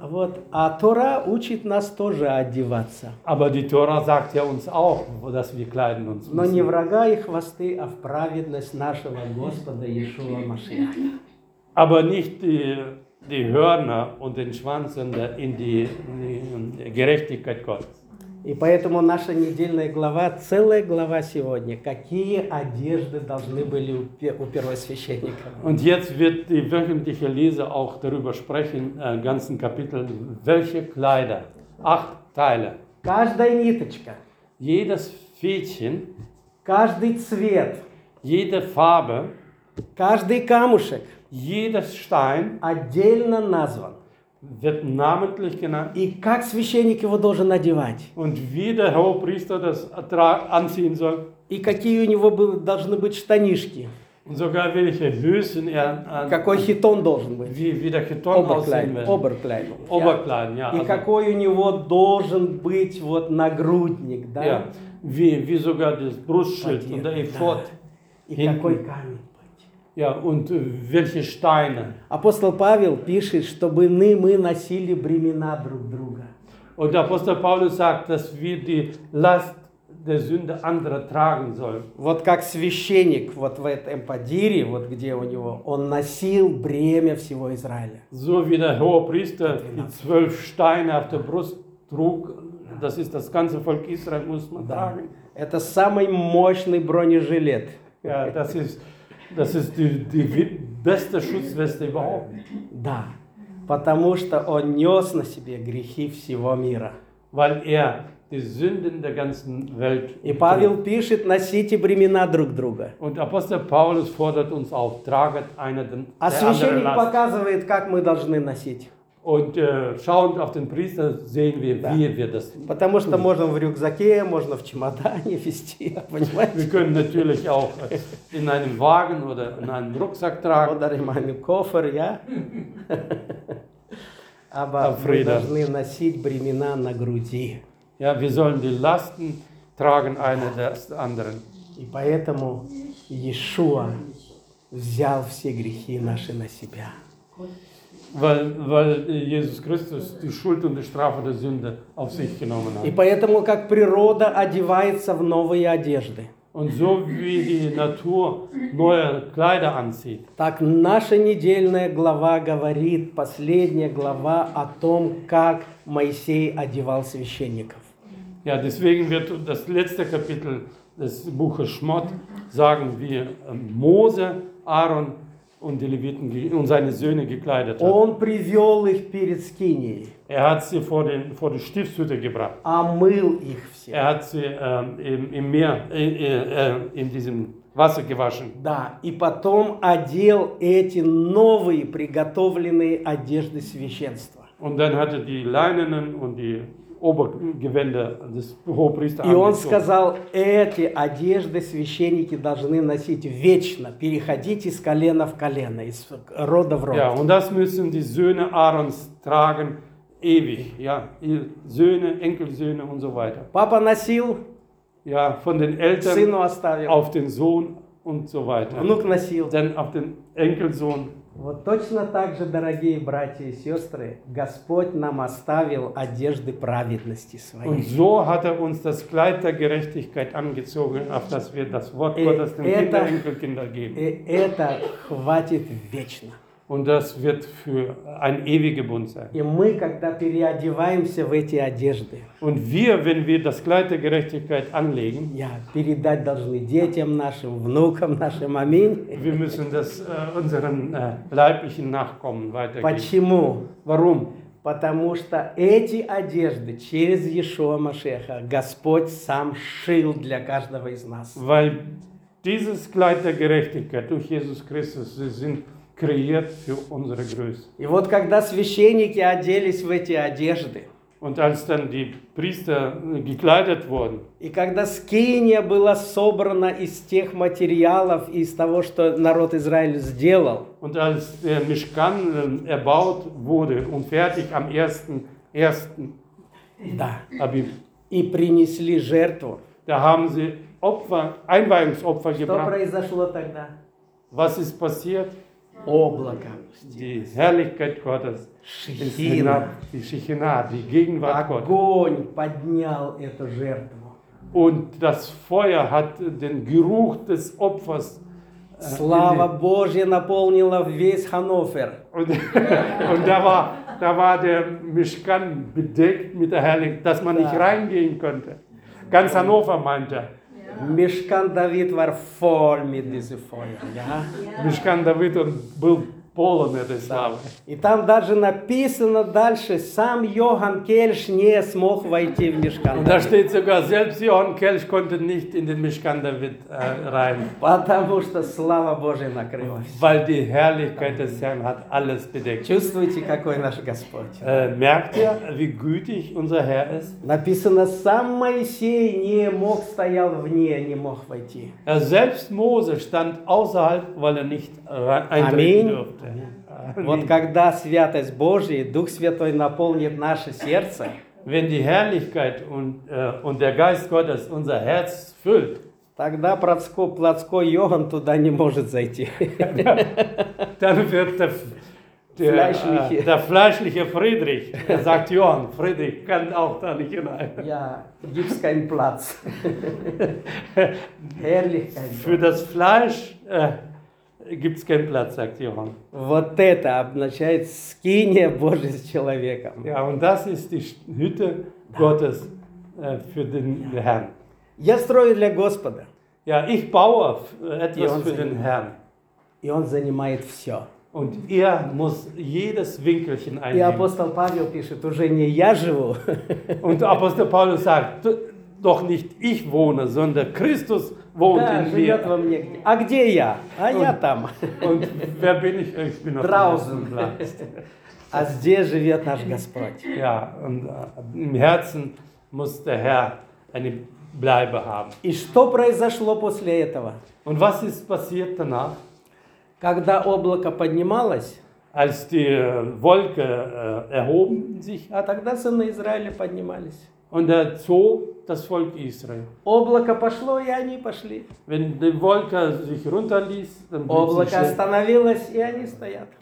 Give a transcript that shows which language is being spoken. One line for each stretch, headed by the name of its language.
Russian: Вот, а Тора учит нас тоже одеваться.
German: Aber die Tora sagt ja uns auch, dass wir kleiden uns.
Russian: Но не в рога и хвосты, а в праведность нашего Господа Иешуа Машиаха.
German: Aber nicht die Hörner und den Schwanz in die Gerechtigkeit Gottes.
Russian: И поэтому наша недельная глава, целая глава сегодня, какие одежды должны были у первосвященника.
German: Und jetzt wird die wöchentliche Lese auch darüber sprechen, ganzen Kapitel, welche Kleider, 8 Teile.
Russian: Каждая ниточка.
German: Jedes Fädchen.
Russian: Каждый цвет.
German: Jede Farbe.
Russian: Каждый камушек.
German: Jeder Stein
Russian: отдельно назван.
German: Wird namentlich genannt.
Russian: И как священник его должен одевать?
German: Und wie der Hohepriester das anziehen soll.
Russian: И какие у него должны быть штанишки?
German: Und sogar welche Hüsen er
Russian: какой хитон должен быть?
German: Wie der Chiton aussehen wird. Oberkleidung. Ja.
Russian: И какой у него должен быть вот нагрудник, да?
German: Ja. Wie sogar das Brustschild und der Ephod.
Russian: И какой камень?
German: Ja, und welche Steine?
Russian: Апостол Павел пишет, чтобы мы носили бремена друг друга.
German: Und Apostel Paulus sagt, dass wir die Last der Sünde anderer tragen sollen.
Russian: Вот как священник вот в этом подире, вот где у него, он носил бремя всего Израиля.
German: So wie der Hohepriester die 12 Steine auf der Brust trug, das ist das ganze Volk Israel muss man tragen.
Russian: Это самый мощный бронежилет.
German: Ja, das ist Das ist die beste Schutzweste überhaupt.
Russian: Да, потому что он нес на себе грехи всего мира.
German: Weil er die Sünden der ganzen Welt.
Russian: И Павел пишет: носите бремена друг друга.
German: Und Apostel Paulus fordert uns auf, tragt einer den anderen Last.
Russian: А священник показывает, как мы должны носить.
German: Und schauen auf den Priester, sehen wir,
Russian: да.
German: Wie wir das tun.
Russian: Потому что можно в рюкзаке, можно в чемодане вести, понимаете?
German: Wir können natürlich auch in einem Wagen oder in einem Rucksack tragen. Oder in meinem Koffer, ja. Aber wir
Russian: должны носить бремена на груди.
German: Ja, wir sollen die Lasten tragen, eine des anderen.
Russian: И поэтому Иешуа взял все грехи наши на себя.
German: Weil Jesus Christus die Schuld und die Strafe der Sünde auf sich genommen hat.
Russian: И поэтому как природа одевается в новые одежды.
German: Und so wie die Natur neue Kleider anzieht.
Russian: Так наша недельная глава говорит, последняя глава о том, как Моисей одевал священников.
German: Ja, deswegen wird das letzte Kapitel des Buches Schmott sagen, wie Mose, Aaron und die Leviten und seine Söhne gekleidet hat. Er hat sie vor die Stiftshütte gebracht. Er hat sie im Meer in diesem Wasser gewaschen.
Russian: Да, и потом одел эти новые приготовленные одежды священства.
German: Und dann hat er die leinenen und die Obergewänder des Hohepriesters.
Russian: И он сказал: эти одежды священники должны носить вечно, переходить из колена в колено, из рода в род.
German: Ja, und das müssen die Söhne Aarons tragen ewig. Ja, Söhne, Enkelsöhne und so weiter.
Russian: Папа носил.
German: Ja, von den Eltern.
Russian: Сыну оставил.
German: Auf den Sohn und so weiter.
Russian: Внук носил.
German: Dann auf den Enkelsohn.
Russian: Вот точно так же, дорогие братья и сестры, Господь нам оставил одежды праведности своей.
German: Und so hat er uns das Kleid der Gerechtigkeit angezogen, auf das wir das Wort Gottes den Kindern und Enkelkindern geben.
Russian: И это хватит вечно.
German: Und das wird für ein ewiger Bund sein.
Russian: И мы, когда переодеваемся в эти одежды,
German: und wir, wenn wir das Kleid der Gerechtigkeit anlegen,
Russian: ja, передать должны детям нашим, внукам нашим, аминь.
German: Wir müssen das unseren leiblichen Nachkommen weitergeben.
Russian: Почему?
German: Warum?
Russian: Потому что эти одежды через Иешуа Машиаха Господь сам шил для каждого из нас.
German: Weil dieses Kleid der Gerechtigkeit durch Jesus Christus, sie sind kreiert für unsere Größe.
Russian: И вот когда священники оделись в эти одежды,
German: Und als dann die Priester gekleidet wurden.
Russian: И когда скиния была собрана из тех материалов, из того, что народ Израиль сделал.
German: Und als der Mischkan erbaut wurde und fertig am 1.1.
Russian: Да. Абиб. И принесли жертву.
German: Da haben sie Opfer, Einweihungsopfer
Russian: что
German: gebracht.
Russian: Что произошло тогда?
German: Was ist passiert?
Russian: Облако.
German: Die Herrlichkeit Gottes.
Russian: Шехина.
German: Die Шехина, die Gegenwart
Russian: Огонь
German: Gottes.
Russian: Огонь поднял эту жертву.
German: Und das Feuer hat den Geruch des Opfers.
Russian: Слава Божья наполнила весь Ханновер.
German: Und da war der Mischkan bedeckt mit der Herrlichkeit, dass man nicht reingehen konnte. Ganz Hannover meinte er. Мешкан Давид war voll mit diesem Feuer.
Russian: Мешкан Давид был полон этой славы. И там даже написано дальше, сам Йоган Кельш не смог войти в Мешкан
German: Давид. Da steht sogar, selbst Johann Kelch konnte nicht in den Мешкан Давид rein.
Russian: Потому что слава Божия накрылась.
German: Weil die Herrlichkeit des Herrn hat alles bedeckt.
Russian: Чувствуете, какой наш Господь?
German: Merkt ihr, wie gütig unser Herr ist?
Russian: Написано, сам Моисей не мог стоял вне, не мог войти.
German: Selbst Mose stand außerhalb, weil nicht eintreten durfte.
Russian: Вот когда святость Божия, Дух Святой наполнит наше сердце,
German: wenn die Herrlichkeit und der Geist Gottes unser Herz füllt,
Russian: тогда плотской Йоган туда не может зайти.
German: Dann wird der fleischliche Friedrich, sagt Johann, Friedrich kann auch da nicht hinein. Ja, gibt's keinen Platz. Herrlichkeit. Für das Fleisch. Gibt's keinen Platz, sagt Johann.
Russian: Вот это обозначает скиния Божия с человеком.
German: Ja, und das ist die Hütte Gottes für den Herrn.
Russian: Я строю для Господа.
German: Ja, ich baue etwas für den Herrn.
Russian: И он занимает все.
German: Und er muss jedes Winkelchen einnehmen.
Russian: И апостол Павел пишет, уже не я живу.
German: Und апостол Павел sagt, doch nicht ich wohne, sondern Christus wohnt
Russian: да,
German: in mir.
Russian: Во мне. А где я? А
German: und,
Russian: я там.
German: Und wer bin ich? Ich bin auf draußen.
Russian: А здесь живет наш Господь.
German: Ja, und im Herzen muss der Herr eine Bleibe haben.
Russian: И что произошло после этого?
German: Und was ist passiert danach?
Russian: Когда облако поднималось,
German: als die Wolke erhoben sich,
Russian: а тогда сыны Израиля поднимались.
German: Und er zog das Volk Israel.
Russian: Облако пошло, и они пошли.
German: Wenn die Wolke sich runterließ, dann
Russian: облако остановилось, и они стоят.